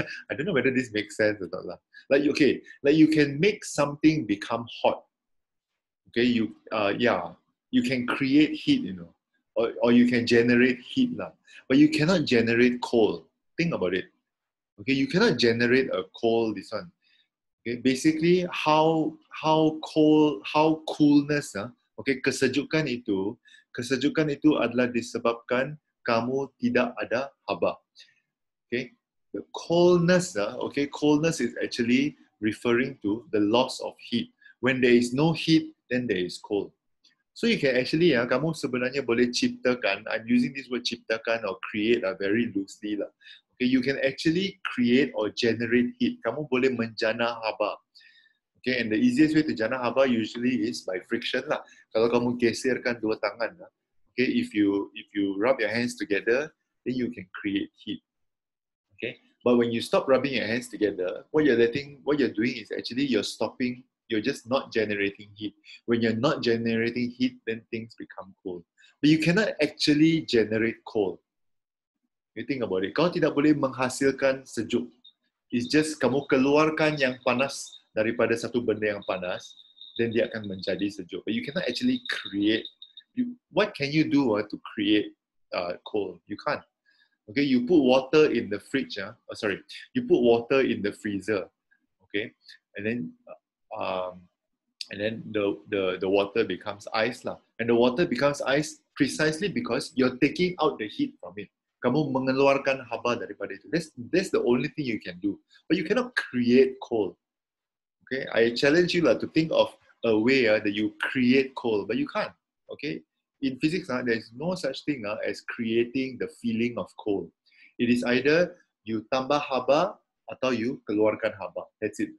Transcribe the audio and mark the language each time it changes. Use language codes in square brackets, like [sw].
[en] I don't know whether this makes sense or not. Like you can make something become hot, okay, you can create heat, you know. Or you can generate heat, but you cannot generate cold. Think about it. Okay, you cannot generate a cold, this one. [ms] Okay, [en] basically how coolness, [ms] kesejukan itu adalah disebabkan kamu tidak ada haba. [en] Okay, the coldness, coldness is actually referring to the loss of heat. When there is no heat, then there is cold. So you can actually, [ms] kamu sebenarnya boleh ciptakan, [en] I'm using this word ciptakan or create very loosely. Okay, you can actually create or generate heat. [ms] Kamu boleh menjana haba. [en] Okay, and the easiest way to [ms] jana haba [en] usually is by friction. [ms] Kalau kamu geserkan dua tangan. [en] Okay, if you rub your hands together, then you can create heat. Okay, but when you stop rubbing your hands together, what you're doing is actually you're stopping. You're just not generating heat. When you're not generating heat, then things become cold. But you cannot actually generate cold. You think about it. [ms] Kau tidak boleh menghasilkan sejuk. [en] It's just [ms] kamu keluarkan yang panas daripada satu benda yang panas, then dia akan menjadi sejuk. [en] But you cannot actually create. What can you do to create cold? You can't. Okay, you put water in the fridge. You put water in the freezer. Okay, and then the water becomes ice lah. And the water becomes ice precisely because you're taking out the heat from it. [ms] Kamu mengeluarkan haba daripada itu. [en] That's the only thing you can do. But you cannot create cold. Okay, I challenge you to think of a way that you create cold, but you can't. Okay, in physics, there's no such thing as creating the feeling of cold. It is either you [ms] tambah haba atau [en] you [ms] keluarkan haba. [en] That's it.